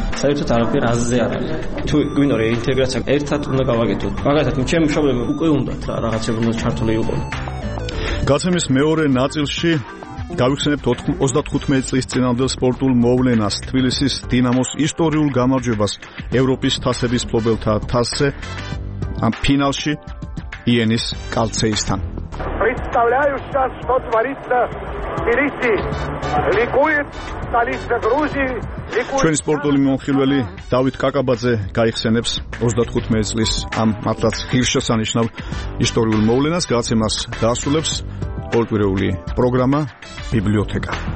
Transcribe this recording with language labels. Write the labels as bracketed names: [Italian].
[Georgian] საერთოდ არაფერი აზრზე არ არის. თუ გვინდა რომ ინტეგრაცია ერთად უნდა გავაკეთოთ, მაგალითად, ჩემი მშობლები უკვე უნდათ რა რაღაცები უნდა ჩართული იყოს. გაცემის მეორე ნაწილში გავიხსენებთ 95 წლის წინამდელ სპორტულ მოვლენას, თბილისის დინამოს ისტორიულ გამარჯვებას ევროპის თასების მფლობელთა თასზე ამ ფინალში იენის კალცეისთან. [Russian] Представляю сейчас, что творится в Тбилиси. Ликует столица Грузии. [Georgian] ჩვენი სპორტული მომხილველი დავით კაკაბაძე გაიხსენებს 35 წლის ამ მართლაც ღირსშესანიშნავ ისტორიულ მოვლენას. გაცემას დაასრულებს კულტურული პროგრამა ბიბლიოთეკა.